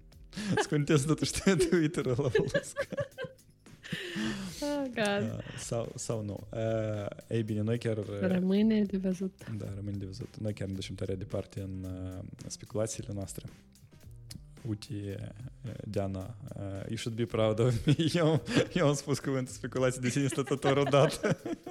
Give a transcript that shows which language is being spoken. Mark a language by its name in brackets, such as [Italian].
[Romanian] Să conecteze totuși de Twitter-ul la Blue Sky. [English] Oh, God. [Romanian] Sau nu. Ei bine, noi chiar... Rămâne de văzut. Da, rămâne de văzut. Noi chiar ne ducem tare departe în speculațiile noastre. Uite, [English] Diana, you should be proud of me. [Romanian] Eu am spus cuvântul speculații de sine stătător odată.